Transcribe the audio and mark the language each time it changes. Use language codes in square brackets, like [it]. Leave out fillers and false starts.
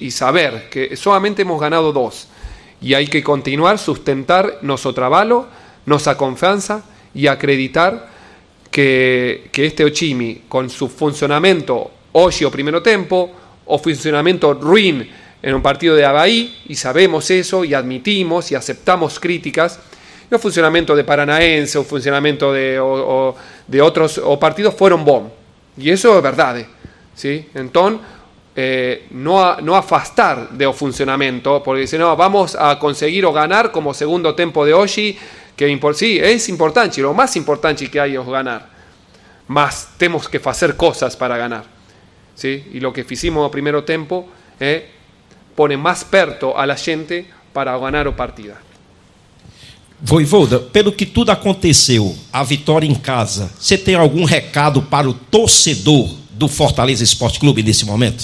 [pt] E saber que [es] solamente hemos ganado 2. [pt] E hay que continuar sustentar nosso trabalho, nossa confiança, e acreditar que este time, com seu funcionamento hoje, o primeiro tempo, o funcionamento ruim em um partido de Havaí, e sabemos isso, e admitimos e aceptamos críticas, e o funcionamento de Paranaense, o funcionamento de outros partidos foram bom. E isso é verdade. ¿Sí? Então, não afastar do funcionamento, porque se não, vamos a conseguir o ganhar como segundo tempo de hoje, que sí, é importante, o mais importante que há é o ganhar. Mas temos que fazer coisas para ganhar. [es] ¿Sí? Y lo que hicimos al primer tiempo pone más perto a la gente para ganar la partida. [pt] Vaivoda, pelo que tudo aconteceu, a vitória em casa, você tem algum recado para o torcedor do Fortaleza Esporte Clube nesse momento?